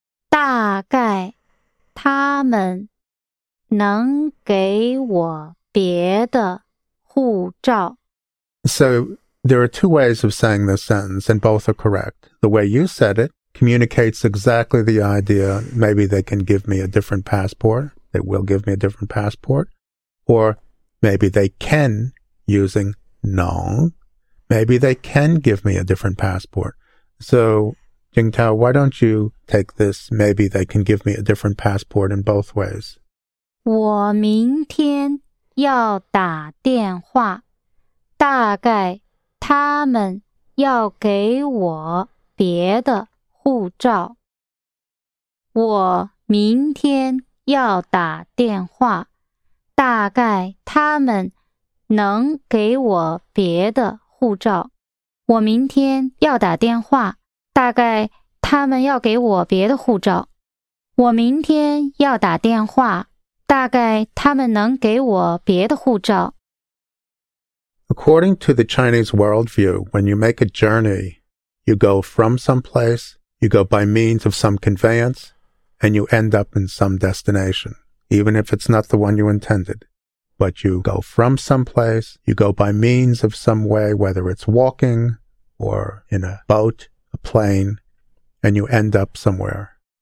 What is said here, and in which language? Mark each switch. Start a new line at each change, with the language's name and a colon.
Chinese: 大概他们能给我别的护照。
English: So, there are two ways of saying this sentence, and both are correct. The way you said it communicates exactly the idea, maybe they can give me a different passport. They will give me a different passport. Or, maybe they can, using nong. Maybe they can give me a different passport. So, Jingtao, why don't you take this, maybe they can give me a different passport in both ways?
Chinese: 我明天要打电话。大概他们要给我别的护照。我明天要打电话。大概他们能给我别的护照。我明天要打电话。大概他们要给我别的护照。我明天要打电话。大概他们能给我别的护照。
English: According to the Chinese worldview, when you make a journey, you go from some place, you go by means of some conveyance, and you end up in some destination. Even if it's not the one you intended. But you go from some place, you go by means of some way, whether it's walking or in a boat, a plane, and you end up somewhere.